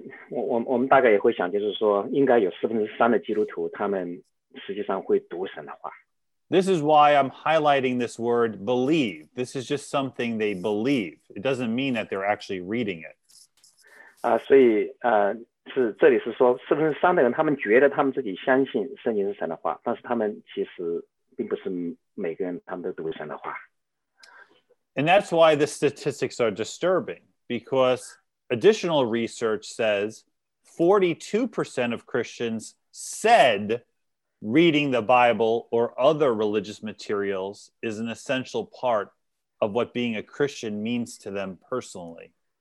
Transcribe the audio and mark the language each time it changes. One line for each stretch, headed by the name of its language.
Chinese: 我们大概也会想，就是说，应该有3/4的基督徒，他们实际上会读神的话。
English: This is why I'm highlighting this word believe. This is just something they believe. It doesn't mean that they're actually reading it.
Chinese: 是这里是说3/4的人他们觉得他们自己相信圣经是神的话，但是他们其实并不是每个人他们都读神的话。
English: And that's why the statistics are disturbing, because additional research says 42% of Christians said reading the Bible or other religious materials is an essential part of what being a Christian means to them personally.